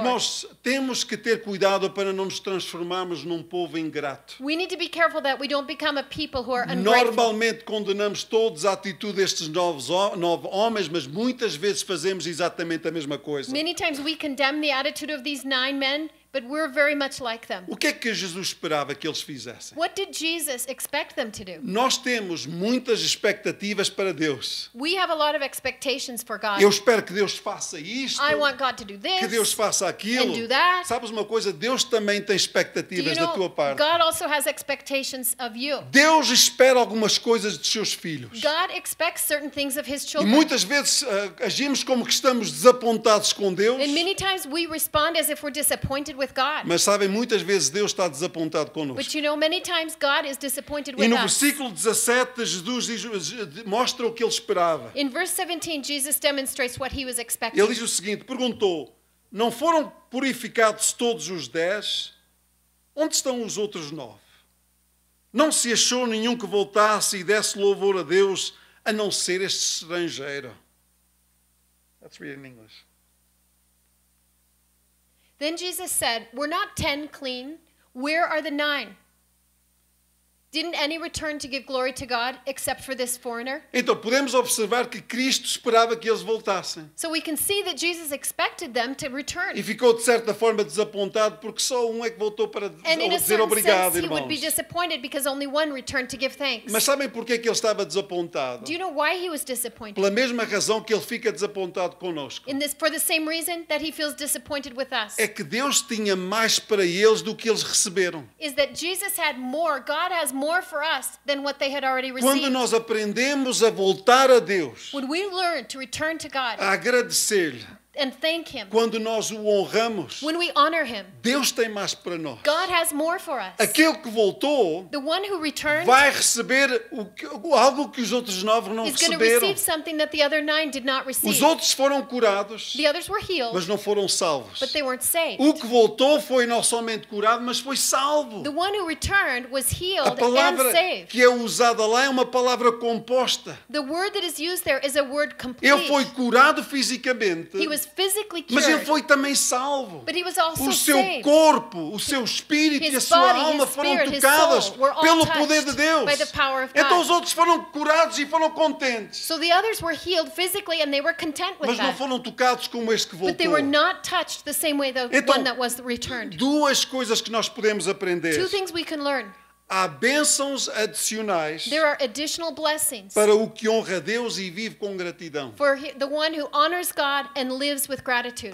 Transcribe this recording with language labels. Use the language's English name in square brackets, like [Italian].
[Portuguese] E nós temos que ter cuidado para não nos transformarmos num povo ingrato. [English] We need to be careful that we don't become a people who are ungrateful. [Portuguese] Normalmente condenamos todos a atitude destes nove homens, mas muitas vezes fazemos exatamente a mesma coisa. [English] Many times we condemn the attitude of these nine men. But we're very much like them. [Portuguese] O que é que Jesus esperava que eles fizessem? [English] What did Jesus expect them to do? [Portuguese] Nós temos muitas expectativas para Deus. [English] We have a lot of expectations for God. [Portuguese] Eu espero que Deus faça isto. [English] I want God to do this. [Portuguese] Que Deus faça aquilo. [English] And do that. [Portuguese] Sabes uma coisa? Deus também tem expectativas [English] do you know, [Portuguese] da tua parte. [English] God also has expectations of you. [Portuguese] Deus espera algumas coisas dos seus filhos. [English] God expects certain things of his children. [Portuguese] E muitas vezes agimos como que estamos desapontados com Deus. [English] And many times we respond as if we're disappointed. With God. [Portuguese] Mas sabem, muitas vezes Deus está desapontado connosco. [English] But you know, many times God is disappointed with us. [Portuguese] E no versículo 17, Jesus diz, mostra o que ele esperava. [English] In verse 17, Jesus demonstrates what he was expecting. [Portuguese] Ele diz o seguinte, perguntou, não foram purificados todos os 10? Onde estão os outros 9? Não se achou nenhum que voltasse e desse louvor a Deus, a não ser este estrangeiro? [English] Let's read in English. Then Jesus said, "Were not 10 clean? Where are the 9? Didn't any return to give glory to God except for this foreigner?" [Portuguese] Então podemos observar que Cristo esperava que eles voltassem. [English] So we can see that Jesus expected them to return. [Portuguese] E ficou de certa forma desapontado porque só um é que voltou para dizer obrigado, irmãos. [English] He would be disappointed because only one returned to give thanks. [Portuguese] Mas sabem porquê que ele estava desapontado? [English] Do you know why he was disappointed? [Portuguese] Pela mesma razão que ele fica desapontado connosco. [English] In this, for the same reason that he feels disappointed with us. [Portuguese] É que Deus tinha mais para eles do que eles receberam. [English] Is that Jesus had more? God has more for us than what they had already received. [Portuguese] Quando nós aprendemos a voltar a Deus, [English] when we learn to return to God, [Portuguese] a agradecer-lhe, [English] and thank him, [Portuguese] quando nós o honramos, [English] when we honor him, [Portuguese] Deus tem mais para nós. [English] God has more for us. [Portuguese] Aquele que voltou, [English] the one who returned, [Portuguese] vai receber algo que os outros 9 não receberam. [English] Is going to receive something that the other 9 did not receive. [Portuguese] Os outros foram curados, [English] the others were healed, [Portuguese] mas não foram salvos. [English] But they weren't saved. [Portuguese] O que voltou foi não somente curado, mas foi salvo. [English] The one who returned was healed and saved. [Portuguese] A palavra que é usada lá é uma palavra composta. [English] The word that is used there is a word complete. [Portuguese] Ele foi curado fisicamente. [English] He was physically cured. [Portuguese] Mas ele foi também salvo. [English] But he was also [Portuguese] o seu corpo, [English] saved. [Portuguese] O seu espírito [English] his [Portuguese] e a sua [English] body, [Portuguese] alma foram tocadas pelo poder de Deus. [English] By the power of God. [Portuguese] Então os outros foram curados e foram contentes. [English] So the others were healed physically and they were content with [Portuguese] mas [English] that. [Portuguese] Não foram tocados como este que voltou. [English] But they were not touched the same way the [Portuguese] então, [English] one that was returned. [Portuguese] Duas coisas que nós podemos aprender. [English] Two things we can learn. [Portuguese] Há bênçãos adicionais [English] there are additional blessings [Portuguese] para o que honra a Deus e vive com gratidão. [English] For the one who honors God and lives with gratitude.